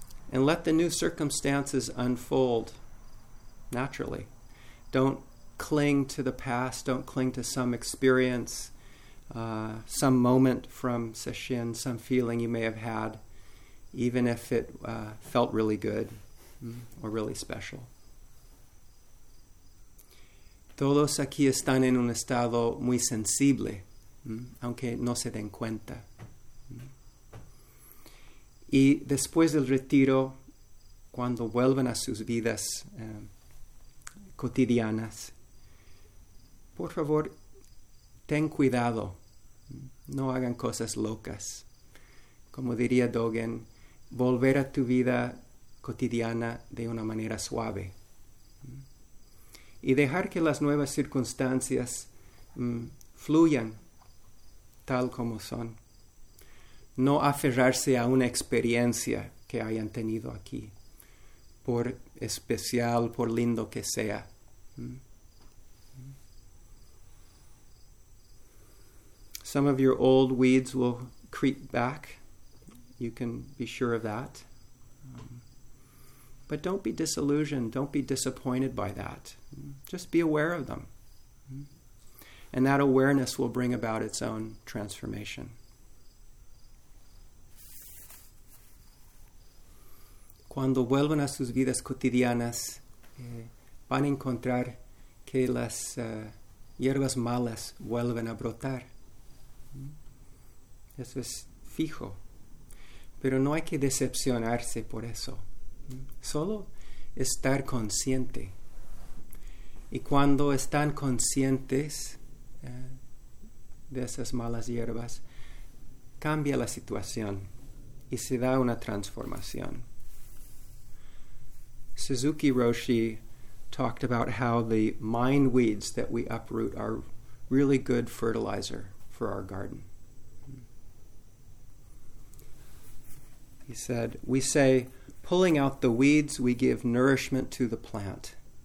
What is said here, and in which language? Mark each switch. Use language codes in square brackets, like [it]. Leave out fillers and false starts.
[en] And let the new circumstances unfold naturally. Don't cling to the past. Don't cling to some experience, some moment from Sesshin, some feeling you may have had, even if it felt really good or really special. [es] Todos aquí están en un estado muy sensible, aunque no se den cuenta. Y después del retiro, cuando vuelvan a sus vidas cotidianas, por favor, ten cuidado. No hagan cosas locas. Como diría Dogen, volver a tu vida cotidiana de una manera suave. Y dejar que las nuevas circunstancias fluyan tal como son. No aferrarse a una experiencia que hayan tenido aquí, por especial, por lindo que sea. [en] Some of your old weeds will creep back. You can be sure of that. But don't be disillusioned. Don't be disappointed by that. Just be aware of them. And that awareness will bring about its own transformation. [es] cuando vuelvan a sus vidas cotidianas, van a encontrar que las hierbas malas vuelven a brotar. Eso es fijo. Pero no hay que decepcionarse por eso. Solo estar consciente. Y cuando están conscientes de esas malas hierbas, cambia la situación y se da una transformación. [en] Suzuki Roshi talked about how the mind weeds that we uproot are really good fertilizer for our garden. He said, we say, pulling out the weeds, we give nourishment to the plant.